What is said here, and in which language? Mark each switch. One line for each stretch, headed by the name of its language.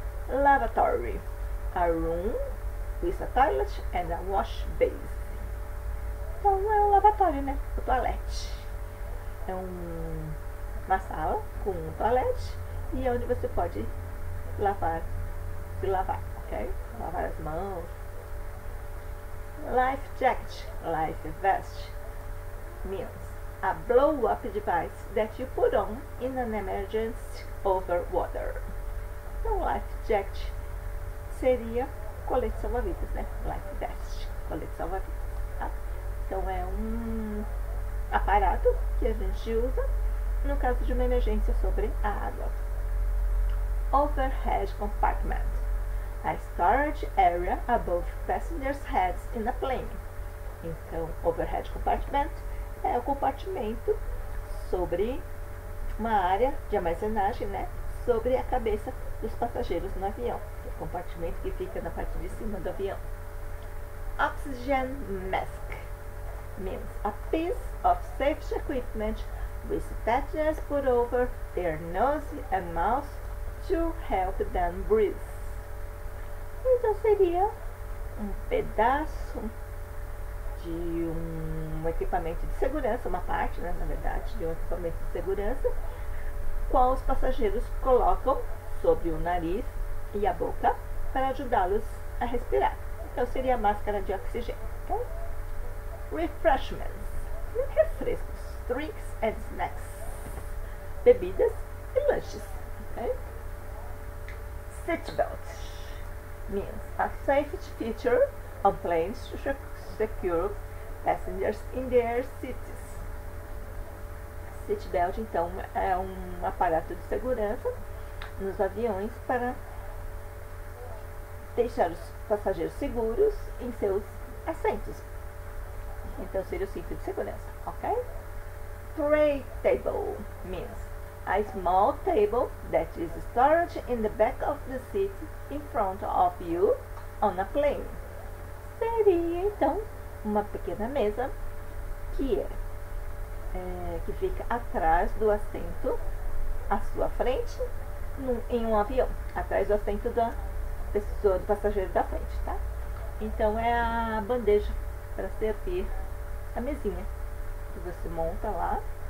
English: Lavatory, a room with a toilet and a wash basin.
Portuguese: Então, é um lavatório, né? O toalete. É uma sala com um toalete e onde você pode lavar, se lavar, ok? Lavar as mãos.
English: Life jacket, life vest means a blow-up device that you put on in an emergency over water.
Portuguese: Então, life jacket seria colete salva-vidas, né? Life vest, colete salva-vidas. Tá? Então, é um aparato que a gente usa no caso de uma emergência sobre a água.
English: Overhead compartment. A storage area above passengers' heads in a plane.
Portuguese: Então, overhead compartment é o compartimento sobre uma área de armazenagem, né? Sobre a cabeça dos passageiros no avião. O compartimento que fica na parte de cima do avião.
English: Oxygen mask means a piece of safety equipment which passengers put over their nose and mouth to help them breathe.
Portuguese: Então seria um pedaço de um equipamento de segurança, uma parte, né, na verdade, de um equipamento de segurança, qual os passageiros colocam sobre o nariz e a boca para ajudá-los a respirar. Então seria a máscara de oxigênio. Okay?
English: Refreshments,
Portuguese: refrescos,
English: drinks and snacks,
Portuguese: bebidas e lanches. Okay? Seatbelts.
English: Means a safety feature on planes to secure passengers in their seats.
Portuguese: Seatbelt, então, é um aparato de segurança nos aviões para deixar os passageiros seguros em seus assentos. Então, seria o cinto de segurança, ok?
English: Tray table means a small table that is stored in the back of the seat in front of you on a plane.
Portuguese: Seria, então, uma pequena mesa que fica atrás do assento, à sua frente, em um avião. Atrás do assento da pessoa, do passageiro da frente, tá? Então, é a bandeja para servir a mesinha que você monta lá.